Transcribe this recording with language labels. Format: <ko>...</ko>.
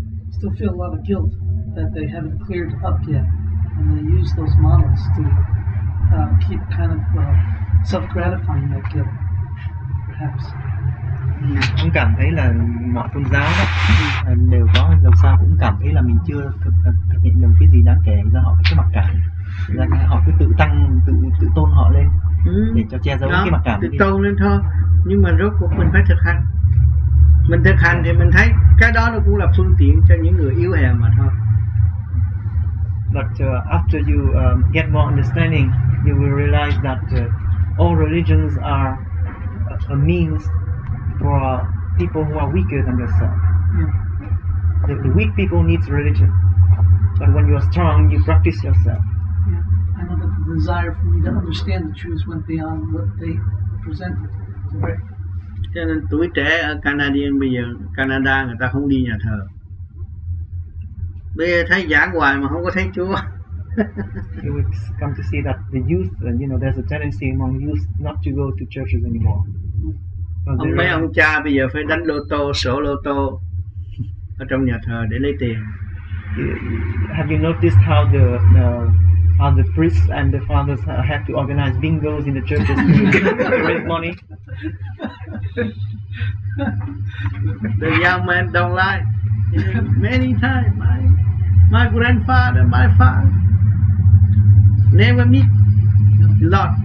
<en>Still feel a lot of guilt that they haven't cleared up yet, and they use those models to keep kind of self-gratifying that guilt, perhaps.</en> <vi>Cũng cảm thấy là mọi tôn giáo đó đều có dù sao cũng cảm thấy là mình chưa thực hiện được cái gì đáng kể, do họ cái mặc cảm, do họ cứ tự tôn họ lên để cho che giấu cái mặc cảm. Tự tôn lên thôi, nhưng mà rốt cuộc mình phải thực hành. Mình thực hành thì mình thấy cái đó nó cũng là phương tiện cho những người yếu hèn mà thôi.</vi> <en>But after you get more understanding, you will realize that all religions are a means for people who are weaker than yourself. Yeah. The weak people need religion. But when you are strong, you practice yourself. Yeah. I know that the desire for me to understand the truth went beyond what they presented.</en> <vi>Cho nên tuổi trẻ ở Canadian bây giờ Canada người ta không đi nhà thờ. Bây giờ thấy giảng hoài mà không có thấy Chúa.</vi> <en>You would come to see that the youth, and you know, there's a tendency among youth not to go to churches anymore.</en> <vi>Ông mấy ông cha bây giờ phải đánh lô tô, sổ lô tô ở trong nhà thờ để lấy tiền.</vi> <en>Have you noticed how the how the priests and the fathers have to organize bingos in the churches to raise money? The young man don't lie. Many times, my grandfather, my father, never meet Lord.</en>